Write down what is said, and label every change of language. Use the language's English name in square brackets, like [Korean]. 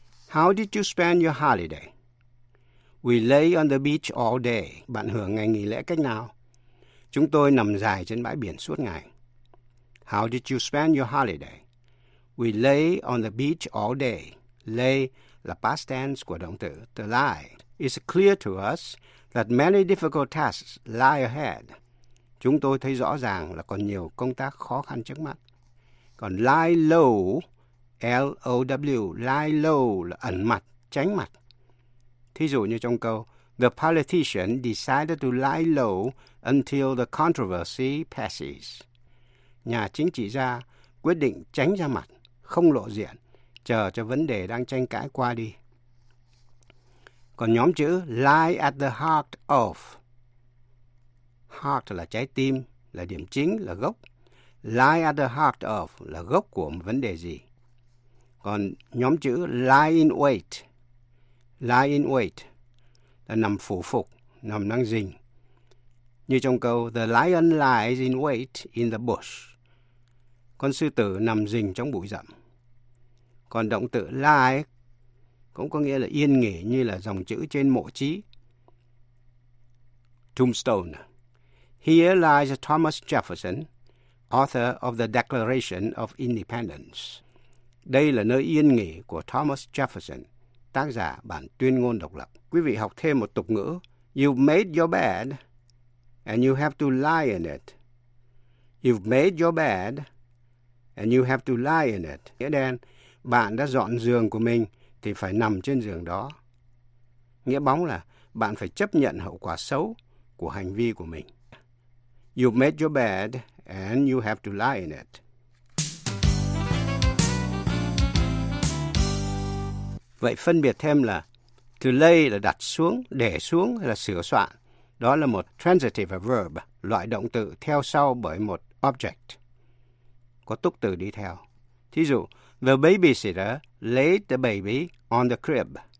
[English] How did you spend your holiday? We lay on the beach all day. [Vietnamese] Bạn hưởng ngày nghỉ lễ cách nào? Chúng tôi nằm dài trên bãi biển suốt ngày. [English] How did you spend your holiday? We lay on the beach all day. [Vietnamese] Lay là past tense của động từ to lie. [English] It's clear to us that many difficult tasks lie ahead. [Vietnamese] Chúng tôi thấy rõ ràng là còn nhiều công tác khó khăn trước mắt. Còn lie low, L-O-W, lie low là ẩn mặt, tránh mặt. Thí dụ như trong câu, [English] the politician decided to lie low until the controversy passes. [Vietnamese] Nhà chính trị gia quyết định tránh ra mặt, không lộ diện, chờ cho vấn đề đang tranh cãi qua đi. Còn nhóm chữ lie at the heart of. Heart là trái tim, là điểm chính, là gốc. Lie at the heart of là gốc của một vấn đề gì. Còn nhóm chữ lie in wait. Lie in wait là nằm phủ phục, nằm đang rình. Như trong câu, [English] the lion lies in wait in the bush. [Vietnamese] Con sư tử nằm rình trong bụi rậm. Còn động từ lie cũng có nghĩa là yên nghỉ, như là dòng chữ trên mộ chí. [English] Tombstone. Here lies Thomas Jefferson, author of the Declaration of Independence. [Vietnamese] Đây là nơi yên nghỉ của Thomas Jefferson, tác giả bản tuyên ngôn độc lập. Quý vị học thêm một tục ngữ. [English] You've made your bed and you have to lie in it. You've made your bed and you have to lie in it. [Vietnamese] Nghĩa đen, bạn đã dọn giường của mình thì phải nằm trên giường đó. Nghĩa bóng là bạn phải chấp nhận hậu quả xấu của hành vi của mình. [English] You've made your bed and you have to lie in it. [Vietnamese] Vậy phân biệt thêm là to lay là đặt xuống, để xuống hay là sửa soạn. Đó là một transitive verb, loại động từ theo sau bởi một object. Có túc từ đi theo. Thí dụ, [English] the babysitter laid the baby on the crib.